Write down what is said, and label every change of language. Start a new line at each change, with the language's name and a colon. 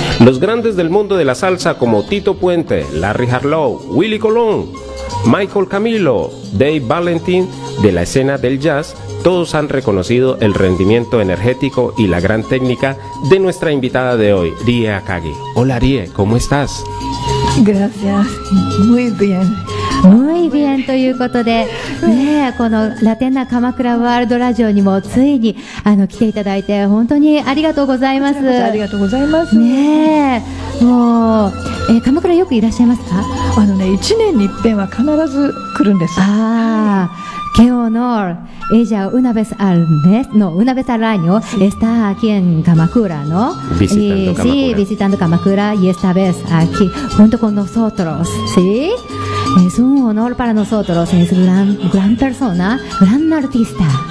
Spanish: Los grandes del mundo de la salsa como Tito Puente, Larry Harlow, Willy Colón, Michael Camilo, Dave Valentin, de la escena del jazz, todos han reconocido el rendimiento energético y la gran técnica de nuestra invitada de hoy, Rie Akagi. Hola Rie, ¿cómo estás? Gracias, muy bien. Muy bien,
Japanese: ということで、ねえ、このラテンな鎌倉ワールドラジオにもついに、来ていただいて、本当にありがとうございます。ありがとうございます。ねえ、もう、鎌倉よくいらっしゃいますか？ 1年に1遍は必ず来るんです。
Spanish: ああ。Qué honor. Ella una vez al mes, no, una vez al año, sí, está aquí en Kamakura, ¿no? Visitando Kamakura. Sí, visitando Kamakura y esta vez aquí junto con nosotros, ¿sí? Es un honor para nosotros, es gran, gran persona, gran artista.